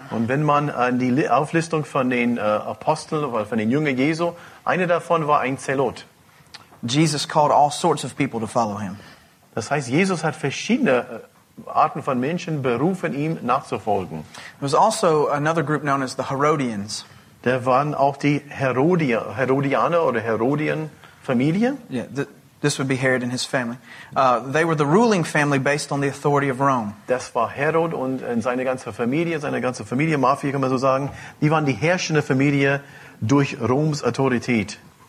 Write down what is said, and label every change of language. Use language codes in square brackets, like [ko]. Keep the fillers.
[de] Und wenn man an uh, die Auflistung von den äh, uh, Aposteln oder von den Jüngern Jesu, einer davon war ein Zelot. [en] Jesus called all sorts of people to follow him. [de] Das heißt, Jesus hat verschiedene Arten von Menschen berufen, ihm nachzufolgen. [en] There was also another group known as the Herodians. [de] da waren auch die Herodien, Herodianer oder Herodienfamilie. [en] Yeah, the, this would be Herod and his family. they were the ruling family based on the authority of Rome. [de] Das war Herod und seine ganze Familie, seine ganze Familie, Mafia kann man so sagen. Die waren die herrschende Familie durch Roms Autorität.